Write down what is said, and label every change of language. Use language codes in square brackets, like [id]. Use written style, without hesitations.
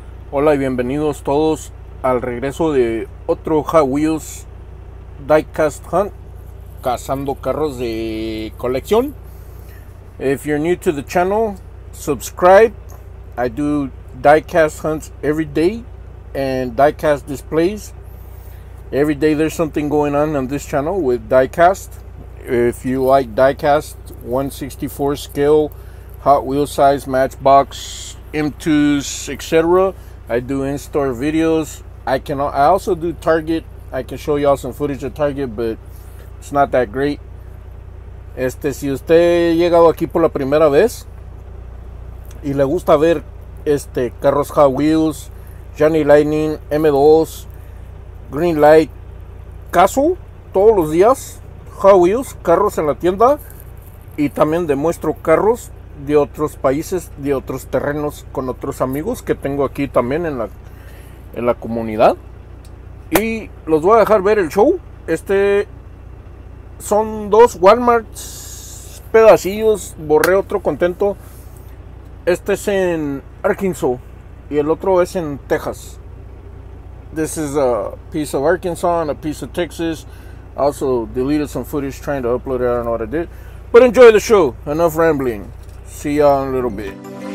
[es] Hola y bienvenidos todos al regreso de otro Hot Wheels diecast hunt, cazando carros de colección. [en] If you're new to the channel, subscribe. I do diecast hunts every day and diecast displays. Every day there's something going on this channel with diecast. If you like diecast 164 scale, Hot Wheels size, Matchbox, M2s, etc., I do in-store videos. I also do Target. I can show y'all some footage of Target, but it's not that great. [es] Si usted llegado aquí por la primera vez y le gusta ver carros Hot Wheels, Johnny Lightning, M2s, Green Light, Castle, todos los días, Hot Wheels, carros en la tienda, y también demuestro carros de otros países, de otros terrenos, con otros amigos que tengo aquí también en la comunidad. Y los voy a dejar ver el show. Son dos Walmarts, pedacillos, borré otro contento. Este es en Arkansas y el otro es en Texas. [en] This is a piece of Arkansas and a piece of Texas. Also deleted some footage trying to upload it. I don't know what I did. But enjoy the show. Enough rambling. See y'all in a little bit.